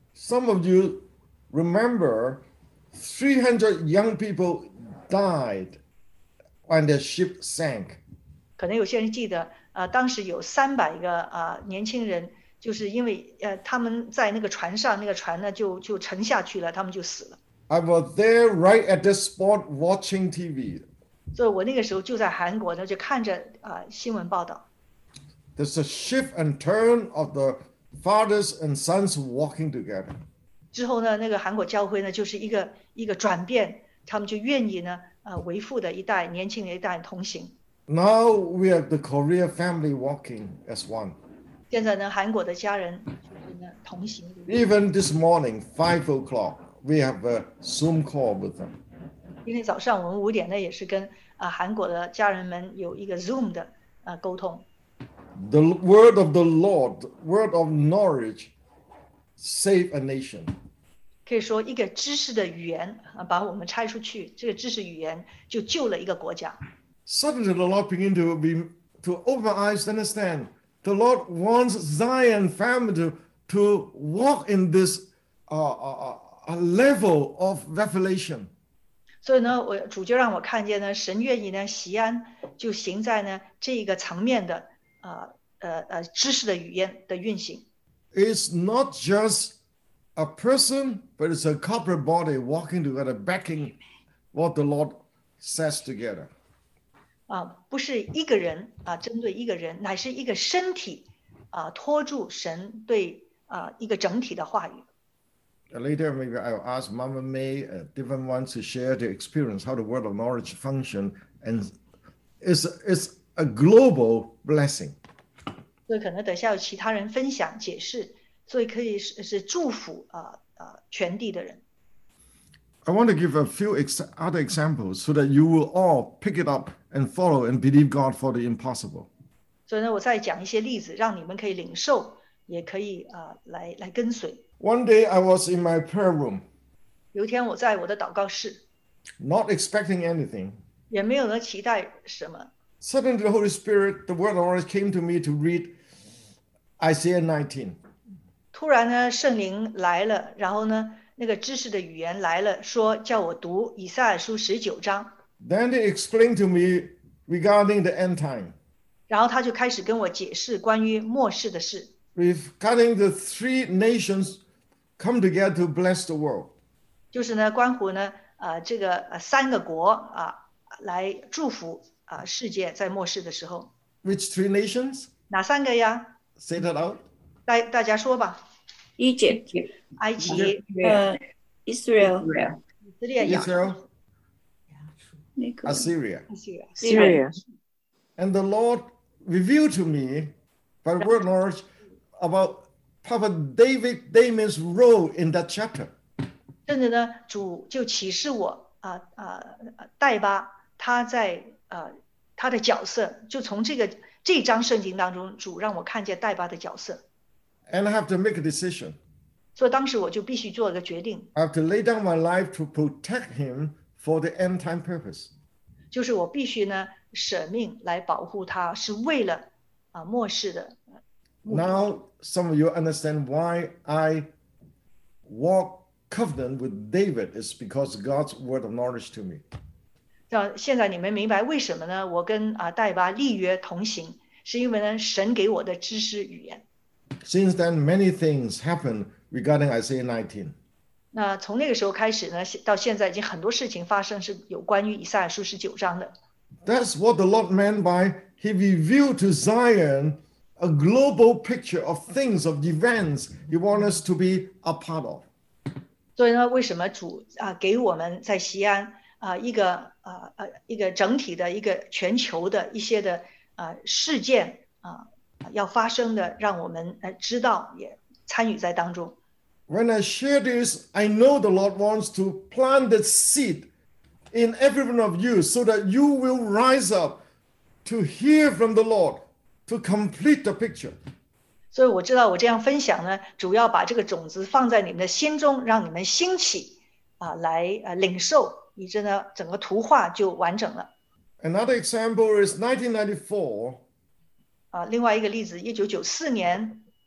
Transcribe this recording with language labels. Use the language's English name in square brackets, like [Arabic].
[English] Some of you remember 300 young people died when their ship sank. [Chinese] 可能有些人记得当时有300个年轻人就是因为他们在那个船上，那个船呢就沉下去了，他们就死了。 [English] I was there right at this spot watching TV. [Chinese] 所以我那个时候就在韩国呢，就看着新闻报道。 [English] There's a shift and turn of the Fathers and sons walking together. [Chinese] 之后呢，那个韩国教会呢，就是一个转变，他们就愿意呢，为父的一代，年轻的一代同行。 [English] Now we have the Korea family walking as one. [Chinese] 现在呢，韩国的家人就是呢同行。 [English] Even this morning, 5 o'clock, we have a Zoom call with them. [Chinese] 今天早上我们五点呢也是跟韩国的家人们有一个 Zoom 的沟通。 [English] The word of the Lord, word of knowledge, save a nation. [Chinese] 可以说一个知识的语言把我们拆出去，这个知识语言就救了一个国家。 [English] Suddenly the Lord began to open eyes to understand. The Lord wants Zion family to walk in this a level of revelation. [Chinese] 所以呢，我主就让我看见呢，神愿意呢，锡安就行在呢这一个层面的知识的语言的运行。 [English] It's not just a person, but it's a corporate body walking together, backing what the Lord says together. [Chinese] 不是一个人针对一个人，乃是一个身体托住神对一个整体的话语。 [English] Later, maybe I'll ask Mama May, different ones to share their experience, how the word of knowledge function, and it's a global blessing. [Chinese] 所以可能等下有其他人分享解释，所以可以 是祝福全地的人。 [English] I want to give a few other examples so that you will all pick it up and follow and believe God for the impossible. [Chinese] 所以呢，我再讲一些例子，让你们可以领受，也可以来跟随。 [English] One day I was in my prayer room. [Chinese] 有一天我在我的祷告室。 [English] Not expecting anything. [Chinese] 也没有能期待什么。 [English] Suddenly the Holy Spirit, the word of the Lord came to me to read Isaiah 19. [Chinese] 突然呢，圣灵来了，然后呢，那个知识的语言来了，说叫我读以赛亚书十九章。 [English] Then he explained to me regarding the end time. [Chinese] 然后他就开始跟我解释关于末世的事。 [English] Regarding the three nations come together to bless the world. [Chinese] 就是呢，关乎呢，这个三个国来祝福世界在末世的时候。 [English] Which three nations? [Chinese] 哪三个呀 [English] ？Say that out. [Chinese] 大家说吧。 [English] Egypt, [Chinese] 埃及 [English] Israel, [Chinese] 以色列 [English] Israel, Assyria, And the Lord revealed to me by the word knowledge. About Prophet David Damon's role in that chapter. [Chinese] 甚至呢，主就启示我代巴他在他的角色，就从这章圣经当中，主让我看见代巴的角色。 [English] And I have to make a decision. [Chinese] 所以当时我就必须做一个决定。 [English] I have to lay down my life to protect him for the end time purpose. [Chinese] 就是我必须呢舍命来保护他，是为了末世的。 [English] Now, some of you understand why I walk covenant with David is because God's word of knowledge to me. [Chinese] 现在你们明白为什么呢？我跟代巴立约同行，是因为呢神给我的知识语言。 [English] Since then, many things happened regarding Isaiah 19. [Chinese] 那从那个时候开始呢，到现在已经很多事情发生是有关于以赛亚书十九章的。 [English] That's what the Lord meant by He revealed to Zion. A global picture of things, of events you want us to be a part of. [Chinese] 所以呢，为什么主给我们在锡安一个整体的一个全球的一些的事件要发生的，让我们知道也参与在当中。 [English] When I share this, I know the Lord wants to plant the seed in every one of you, so that you will rise up to hear from the Lord. To complete the picture. [Chinese] 所以我知道我这样分享呢，主要把这个种子放在你们的心中，让你们兴起来领受，以致呢整个图画就完整了。 [English] Another example is 1994. [Chinese] 另外一个例子，1994年。